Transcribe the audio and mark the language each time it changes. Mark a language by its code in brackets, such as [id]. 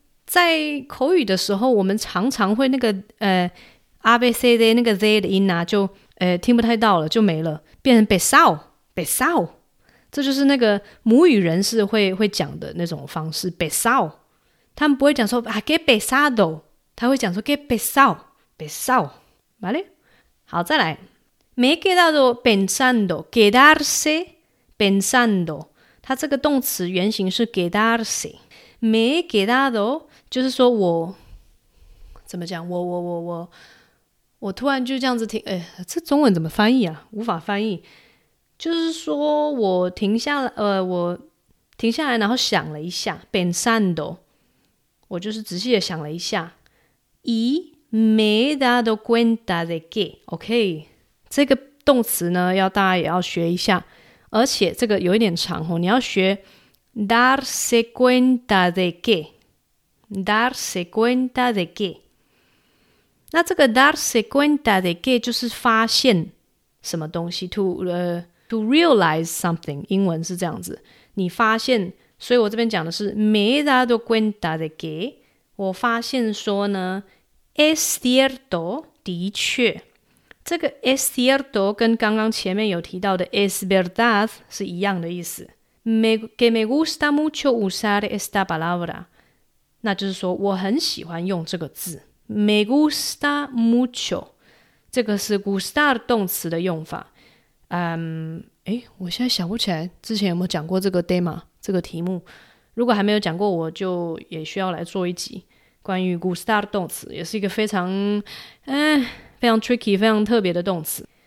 [zh] 在口语的时候我们常常会那个ABCD 那个 Z 的音啊就听不太到了，就没了，变成 Besao， 这就是那个母语人士会讲的那种方式 Besao， 他们不会讲说啊 [es] Que Besado， [zh] 他会讲说 [es] Que Besao， [zh] 好嘞。好，再来 [es] Me he quedado pensando， [zh] quedarse pensando， 它这个动词原型是 quedarse。 [es] Me he quedado [zh] 就是说我怎么讲，我突然就这样子听，这中文怎么翻译啊，无法翻译。就是说我停下来，我停下来然后想了一下 pensando， 我就是仔细的想了一下。 [es] Y me he dado cuenta de que， [zh] OK， 这个动词呢要大家也要学一下，而且这个有一点长哦，你要学 [es] darse cuenta de que， [zh] darse cuenta de que。那这个 darse cuenta de que 就是发现什么东西， [en] to realize something， [zh] 英文是这样子，你发现。所以我这边讲的是 [es] me he dado cuenta de que， [zh] 我发现说呢 es cierto， 的确。这个 es cierto 跟刚刚前面有提到的 es verdad 是一样的意思。 [es] Que me gusta mucho usar esta palabra， [zh] 那就是说我很喜欢用这个字。 [es] Me gusta mucho， [zh] 这个是 gustar 动词的用法。我现在想不起来之前有没有讲过这个 demo 这个题目，如果还没有讲过我就也需要来做一集关于 gustar 动词，也是一个非常非常 tricky 非常特别的动词。